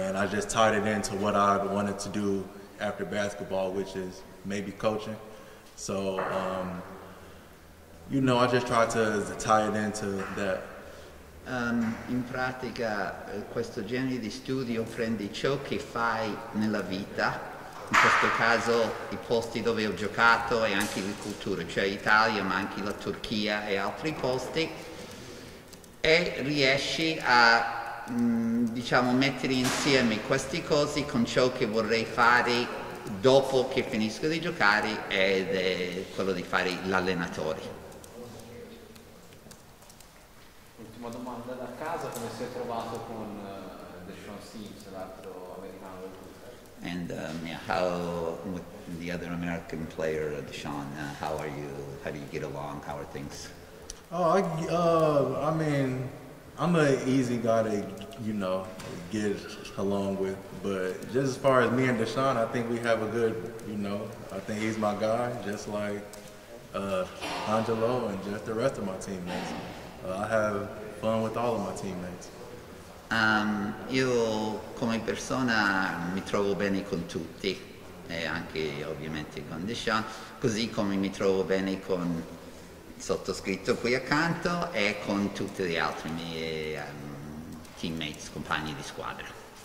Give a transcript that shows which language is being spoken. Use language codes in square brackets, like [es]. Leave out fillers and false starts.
[en] And I just tied it into what I wanted to do after basketball, which is maybe coaching. So, you know, I just tried to tie it into that. [it] In pratica, questo genere di studio prende ciò che fai nella vita, in questo caso i posti dove ho giocato e anche le culture, cioè Italia, ma anche la Turchia e altri posti, e riesci a diciamo mettere insieme queste cose con ciò che vorrei fare dopo che finisco di giocare, ed è quello di fare l'allenatore. Ultima domanda da casa: come si è trovato con Deshaun Sims, l'altro americano del club? [en] And how with the other American player Deshaun, how are you, how do you get along, how are things? I mean I'm an easy guy to, you know, get along with. But just as far as me and Deshaun, I think we have a good, you know, I think he's my guy, just like Angelo and just the rest of my teammates. I have fun with all of my teammates. [it] Io come persona mi trovo bene con tutti, e anche ovviamente con Deshaun, così come mi trovo bene con sottoscritto qui accanto e con tutti gli altri miei teammates, compagni di squadra.